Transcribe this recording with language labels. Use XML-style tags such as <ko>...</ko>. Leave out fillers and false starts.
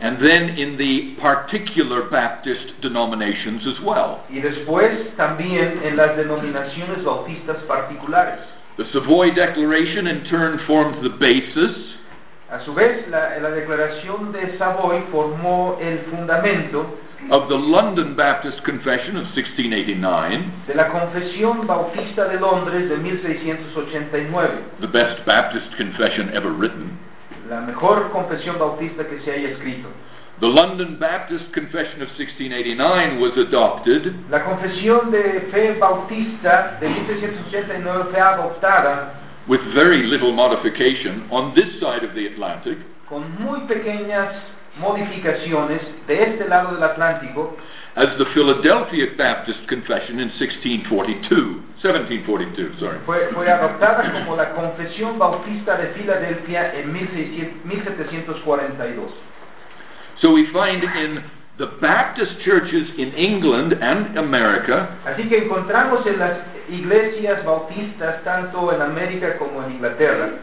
<en>and then in the particular Baptist denominations as well,</en> <es>y después también en las denominaciones bautistas particulares.</es> <en>The Savoy Declaration in turn formed the basis.</en> <es>A su vez, la declaración de Savoy formó el fundamento</es> <en>of the London Baptist Confession of 1689,</en> <es>de la Confesión Bautista de Londres de 1689,</es> <en>the best Baptist confession ever written,</en> <es>la mejor confesión bautista que se haya escrito.</es> <en>The London Baptist Confession of 1689 was adopted.</en> <es>La Confesión de Fe Bautista de 1689 fue adoptada</es> <en>with very little modification on this side of the Atlantic.</en> <es>Con muy pequeñas modificaciones de este lado del Atlántico,</es> <en>as the Philadelphia Baptist Confession in 1742,</en> <es>fue adoptada como la Confesión Bautista de Filadelfia en 1742.</es> <en>So we find in the Baptist churches in England and America,</en> <es>así que encontramos en las iglesias bautistas tanto en América como en Inglaterra,</es>